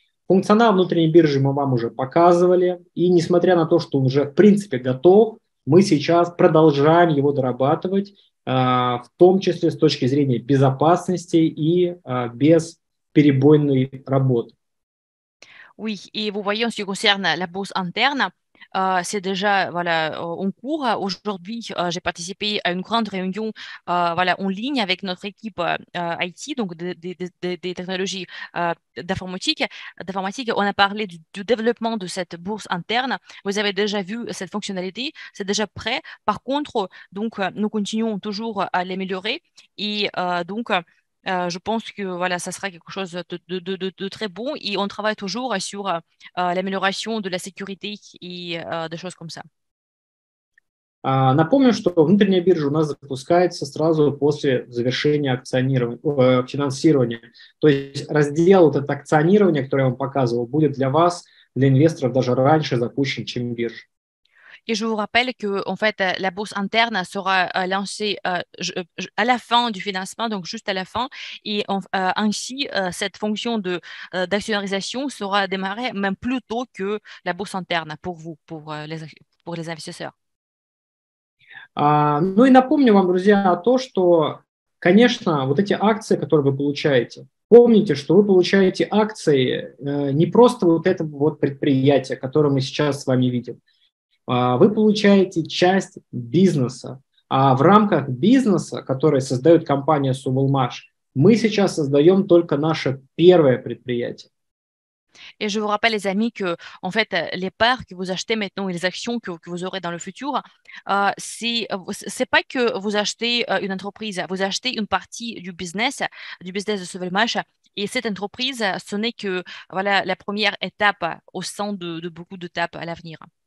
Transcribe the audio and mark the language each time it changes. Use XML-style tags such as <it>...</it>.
<ru>Функционал внутренней биржи мы вам уже показывали. И несмотря на то, что он уже, в принципе, готов, мы сейчас продолжаем его дорабатывать, в том числе с точки зрения безопасности и бесперебойной работы.</ru> <fr>Oui, et vous voyez, en ce qui concerne la bourse interne, c'est déjà voilà, en cours. Aujourd'hui, j'ai participé à une grande réunion voilà, en ligne avec notre équipe IT, donc des technologies d'informatique. On a parlé du développement de cette bourse interne. Vous avez déjà vu cette fonctionnalité, c'est déjà prêt. Par contre, donc, nous continuons toujours à l'améliorer. Et donc, je pense que voilà, ça sera quelque chose de très bon et on travaille toujours sur l'amélioration de la sécurité et des choses comme ça.</fr> <ru>Напомню, что внутренняя биржа у нас запускается сразу после завершения финансирования. То есть раздел вот это акционирование, которое я вам показывал, будет для вас, для инвесторов, даже раньше запущен, чем биржа.</ru> <fr>Et je vous rappelle que en fait la bourse interne sera lancée à la fin du financement, donc juste à la fin, et ainsi cette fonction de d'actionnarisation sera démarrée même plus tôt que la bourse interne pour vous, pour les investisseurs.</fr> <ru>Ну и напомню вам, друзья, о том, что, конечно, вот эти акции, которые вы получаете, помните, что вы получаете акции не просто вот этого вот предприятия, которое мы сейчас с вами видим. Вы получаете часть бизнеса, а в рамках бизнеса, который создает компания Совелмаш, мы сейчас создаем только наше первое предприятие.</ru> <fr>Et je vous rappelle, les amis, que en fait, les parts que vous achetez maintenant et les actions que vous aurez dans le futur, c'est pas que vous achetez une entreprise, vous achetez une partie du business de Sauvelmash. Et cette entreprise, ce n'est que voilà la première étape au sein de beaucoup d'étapes à l'avenir.</fr>